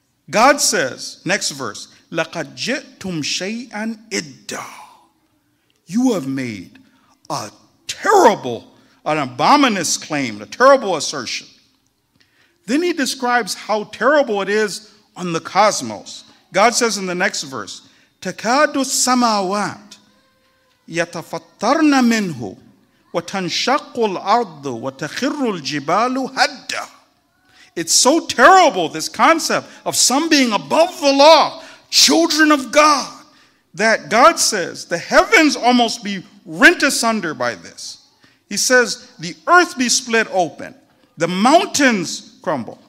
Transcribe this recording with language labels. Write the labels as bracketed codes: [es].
[en] God says, next verse, [ar] لَقَدْ جِئْتُمْ شَيْئًا إِدَّا. [en] You have made a terrible, an abominous claim, a terrible assertion. Then he describes how terrible it is on the cosmos. God says in the next verse, [ar] تَكَادُ السَّمَاوَاتِ يَتَفَطَّرْنَ مِنْهُ وَتَنْشَقُّ الْأَرْضُ وَتَخِرُّ الْجِبَالُ هَدَّ. [en] It's so terrible, this concept of some being above the law, children of God, that God says the heavens almost be rent asunder by this. He says the earth be split open, the mountains crumble.